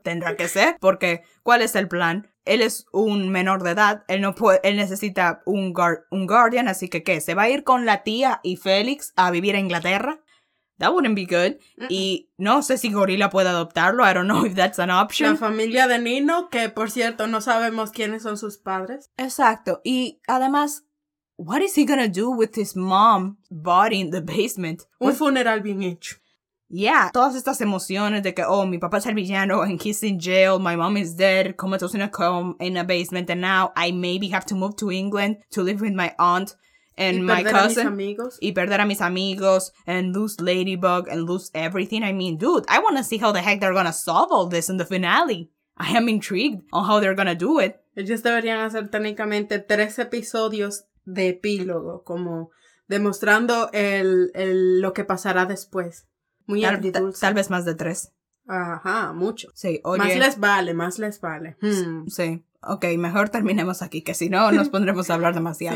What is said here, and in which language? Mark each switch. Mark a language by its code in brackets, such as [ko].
[es] Tendrá que ser, porque ¿cuál es el plan? Él es un menor de edad, él no puede, él necesita un guardian, así que ¿qué? ¿Se va a ir con la tía y Félix a vivir a Inglaterra? [en] That wouldn't be good. Mm-mm. [es] Y no sé si Gorila puede adoptarlo, [en] I don't know if that's an option. [es] La familia de Nino, que por cierto no sabemos quiénes son sus padres. Exacto, y además, [en] what is he gonna do with his mom's body in the basement? [es] Un funeral bien hecho. [en] Yeah, [es] todas estas emociones de que, oh, mi papá es el villano, [en] and he's in jail, my mom is dead, comatose in a basement, and now I maybe have to move to England to live with my aunt and my cousin. [es] Y perder a mis amigos. Y perder a mis amigos, [en] and lose Ladybug, and lose everything. I mean, dude, I want to see how the heck they're gonna solve all this in the finale. I am intrigued on how they're gonna do it. [es] Ellos deberían hacer técnicamente 3 episodios de epílogo, como demostrando lo que pasará después. Muy agridulce. Tal vez más de 3. Ajá, mucho. Sí, oye. Más les vale. Hmm. Sí, ok, mejor terminemos aquí, que si no nos pondremos a hablar demasiado.